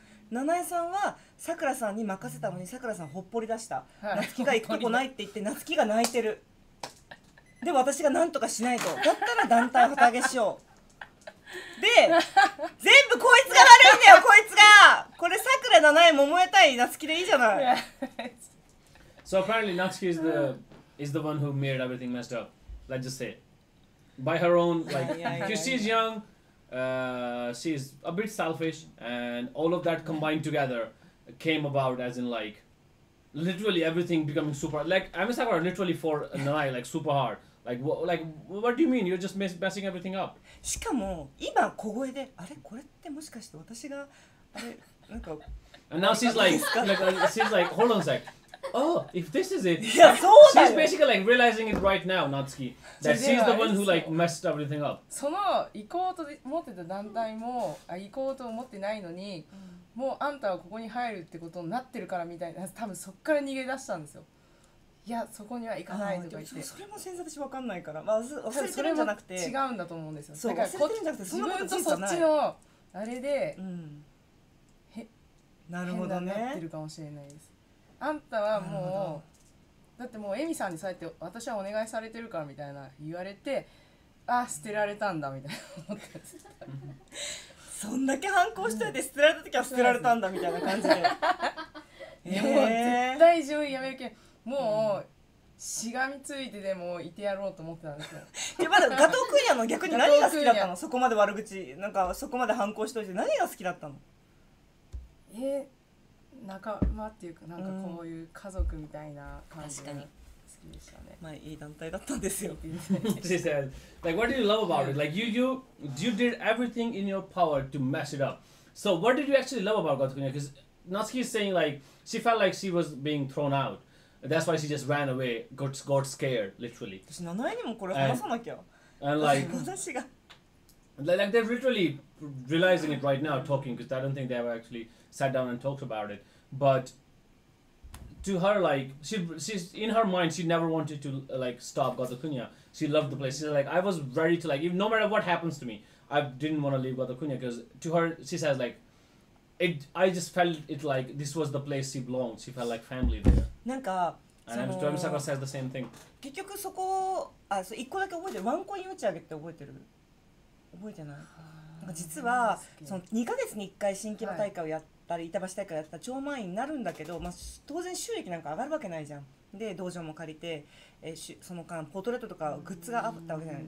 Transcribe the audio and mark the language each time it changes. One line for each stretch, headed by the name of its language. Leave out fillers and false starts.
Japanese: ナナエさんはさくらさんに任せたのにさくらさんほっぽり出した、はい、夏希が行くとこないって言って夏希が泣いてる。で私が何とかしないと、だったら団体旗揚げしようで全部こいつが悪いんだよ。こいつがこれさくら、ナナエ、桃江対夏希でいいじゃない。
English: So apparently Natsuki is the, is the one who made everything messed up. Let's just say by her own like she's youngshe is a bit selfish and all of that combined together came about as in like literally everything becoming super like Amisaka literally for Nanai like super hard like, what do you mean you're just messing everything up.
Japanese: しかも今小声であれこれってもしかして私があれなんか
English: and now she's like, like she's like hold on a sec. Oh if this is it
Japanese: いやそうだよ。
English: She's basically like realizing it right now Natsuki that she's the one who like messed everything up.
Japanese: その行こうと思ってた団体も行こうと思ってないのに、もうあんたはここに入るってことになってるからみたいな、多分そっから逃げ出したんですよ。いやそこには行かないとか言って、それも先生私分かんないから、まあ忘れてるんじゃなくて、それも違うんだと思うんですよ。そう忘れてるんじゃなくて、自分とそっちのあれで、うん、なるほどね、変になってるかもしれないです。あんたはもうだってもうエミさんにそうやって私はお願いされてるからみたいな言われて、あ捨てられたんだみたいな思ったそんだけ反抗してて捨てられた時は捨てられたんだみたいな感じで、もう絶対自分やめるけん、もうしがみついてでもいてやろうと思ってたんですよ。まだガトークーニャの逆に何が好きだったの、そこまで悪口なんかそこまで反抗しておいて何が好きだったの。仲間っていうか、なんかこういう家族みたいな感じが好きでしたね。まあ、いい団体だったんですよ。
English: She said, like, what did you love about it? Like, you did everything in your power to mess it up. So, what did you actually love about Gotoku Niya? Because Natsuki is saying, like, she felt like she was being thrown out. That's why she just ran away, got scared, literally.
Japanese: 私、名前にもこれ話さなきゃ。
English: And like,
Japanese: 私が。
English: Like, they're literally realizing it right now, talking, because I don't think they ever actually... sat down and talked about it, but to her, like she's in her mind, she never wanted to like stop Gotoku Niya. She loved the place. She's like, I was ready to like, even no matter what happens to me, I didn't want to leave Gotoku Niya, because to her, she says like, it. I just felt it like this was the place she belonged. She felt like family there.
Japanese: なんか、
English: and I'm sure Misaka says the same thing.
Japanese: 結局そこ、あ、そう一個だけ覚えてる。ワンコイン打ち上げって覚えてる？覚えてない。実はその2ヶ月に1回新木場大会をやったり板橋大会をやったら超満員になるんだけど、まあ当然収益なんか上がるわけないじゃん。で道場も借りて、その間ポートレートとかグッズがあったわけじゃない。